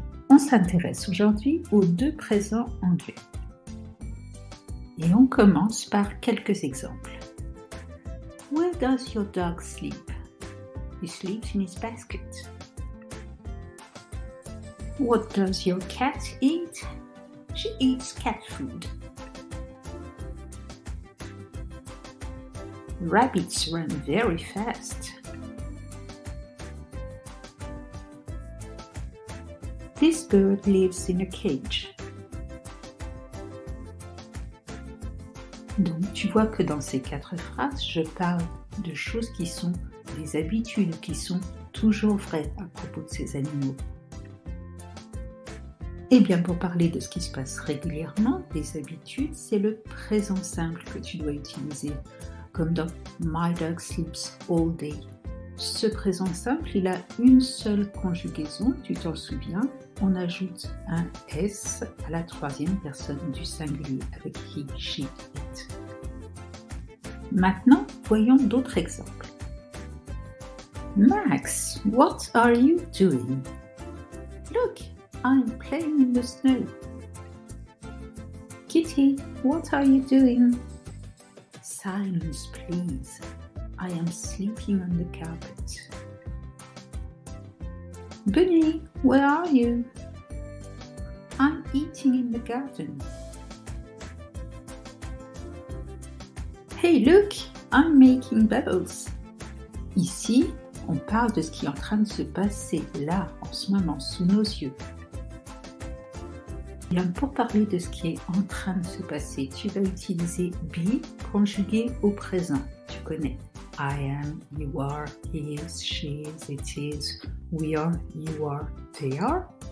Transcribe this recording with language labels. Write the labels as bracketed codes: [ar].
[fr] On s'intéresse aujourd'hui aux deux présents anglais. Et on commence par quelques exemples. [en] Where does your dog sleep? He sleeps in his basket. What does your cat eat? She eats cat food. Rabbits run very fast. This bird lives in a cage. [fr] Donc, tu vois que dans ces quatre phrases, je parle de choses qui sont des habitudes, qui sont toujours vraies à propos de ces animaux. Et bien, pour parler de ce qui se passe régulièrement, des habitudes, c'est le présent simple que tu dois utiliser, comme dans « [en] My dog sleeps all day ». [fr] Ce présent simple, il a une seule conjugaison, tu t'en souviens. On ajoute un « s » à la troisième personne du singulier avec « [en] he, she, it ». [fr] Maintenant, voyons d'autres exemples. [en] Max, what are you doing? Look, I'm playing in the snow. Kitty, what are you doing? Silence, please. I am sleeping on the carpet. Bunny, where are you? I'm eating in the garden. Hey, look, I'm making bubbles. [fr] Ici, on parle de ce qui est en train de se passer là, en ce moment, sous nos yeux. Bien, pour parler de ce qui est en train de se passer, tu vas utiliser be conjugué au présent. Tu connais. [en] I am, you are, he is, she is, it is, we are, you are, they are.